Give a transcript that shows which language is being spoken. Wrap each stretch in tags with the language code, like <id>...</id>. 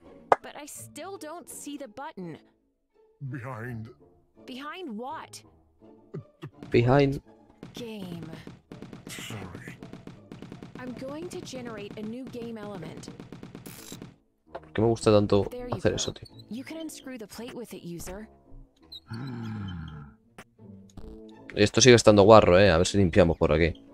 <en>But I still don't see the button. Behind. Behind what? Behind. Game. Sorry. I'm going to generate a new game element.</en> <es>¿Por qué me gusta tanto hacer eso, tío?</es> <en>You can unscrew the plate with it, user.</en> <es>Esto sigue estando guarro, a ver si limpiamos por aquí.</es>